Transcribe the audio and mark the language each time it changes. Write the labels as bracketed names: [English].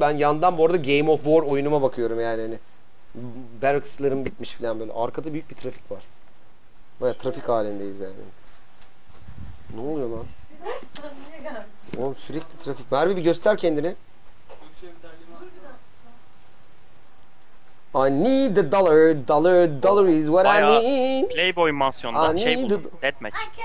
[Turkish] Ben yandan bu arada Game of War oyunuma bakıyorum yani. Hani Barracks'larım bitmiş falan böyle. Arkada büyük bir trafik var. Baya trafik halindeyiz yani. Ne oluyor lan? Oğlum sürekli trafik. Merve bir göster kendini. [English] I need the dollar, dollar, dollar is what [Turkish] bayağı [English] I need. [Turkish] Baya Playboy mansiyonundan şey buldum, deathmatch.